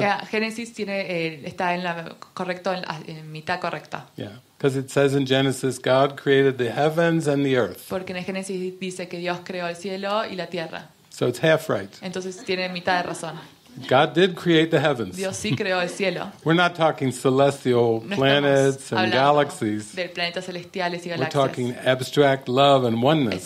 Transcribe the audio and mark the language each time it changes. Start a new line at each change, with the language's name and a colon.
Spanish: Genesis tiene está en la correcto en mitad correcta.
English: Yeah, because it says in Genesis God created the heavens and the earth.
Spanish: Porque en Génesis dice que Dios creó el cielo y la tierra.
English: So it's half right.
Spanish: Entonces tiene mitad de razón.
English: God did create the heavens.
Spanish: Dios sí creó el cielo.
English: We're not talking celestial planets and galaxies.
Spanish: De planetas celestiales y galaxias.
English: We're talking abstract love and oneness.